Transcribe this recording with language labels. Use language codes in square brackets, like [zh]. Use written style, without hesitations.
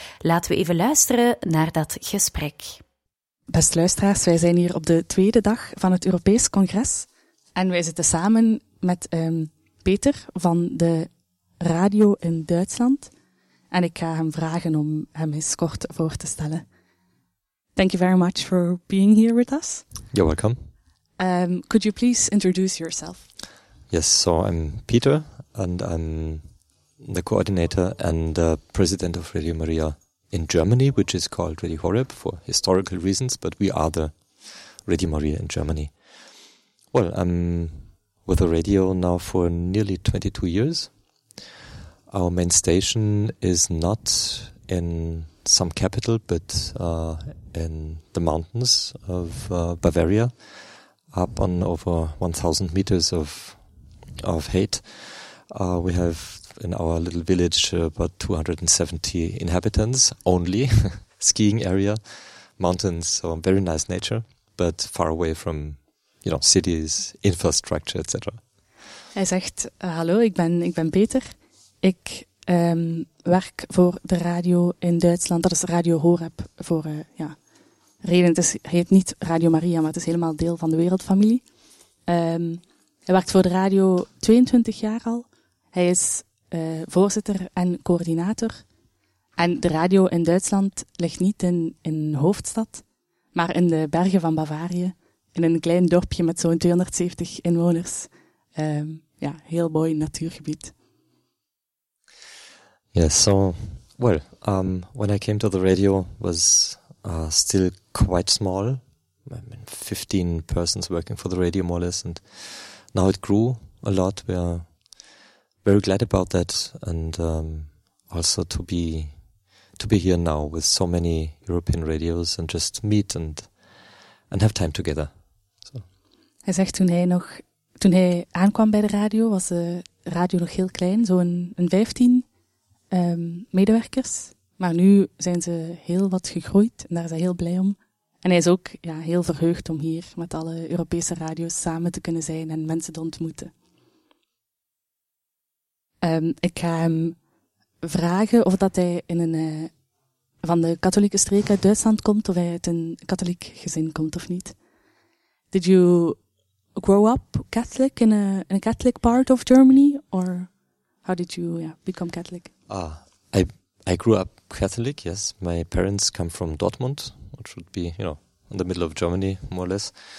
[nl] Laten we even luisteren naar dat gesprek. Beste luisteraars, wij zijn hier op de tweede dag van het Europees Congres. En wij zitten samen met Peter van de radio in Duitsland. En ik ga hem vragen om hem eens kort voor te stellen. [en] Thank you very much for being here with us. You're welcome. Could you please introduce yourself? Yes, so I'm Peter, and I'm the coordinator and the president of Radio Maria in Germany, which is called Radio Horeb for historical reasons, but we are the Radio Maria in Germany. Well, I'm with the radio now for nearly 22 years. Our main station is not in some capital, but in the mountains of Bavaria, up on over 1,000 meters of height. We have in our little village about 270 inhabitants only, skiing area, mountains, so very nice nature, but far away from, you know, cities, infrastructure, etc. [nl] Hij zegt, hallo, ik ben Peter. Ik werk voor de radio in Duitsland, dat is Radio Horeb voor, ja, reden. Het heet niet Radio Maria, maar het is helemaal deel van de wereldfamilie. Hij werkt voor de radio 22 jaar al. Hij is voorzitter en coördinator. En de radio in Duitsland ligt niet in hoofdstad, maar in de bergen van Bavaria, in een klein dorpje met zo'n 270 inwoners. Ja, heel mooi natuurgebied. [en] Yes, so, well, when I came to the radio, was still quite small. I mean, 15 persons working for the radio, more or less, and now it grew a lot. We are very glad about that, and also to be here now with so many European radios and just meet and have time together. So. [nl] Hij zegt toen hij aankwam bij de radio, was de radio nog heel klein, zo'n 15. Medewerkers, maar nu zijn ze heel wat gegroeid en daar zijn ze heel blij om. En hij is ook heel verheugd om hier met alle Europese radio's samen te kunnen zijn en mensen te ontmoeten. Ik ga hem vragen of dat hij in een van de katholieke streek uit Duitsland komt, of hij uit een katholiek gezin komt of niet. [en] Did you grow up Catholic in a Catholic part of Germany, or how did you become Catholic? I grew up Catholic, yes. My parents come from Dortmund, which would be, in the middle of Germany, more or less.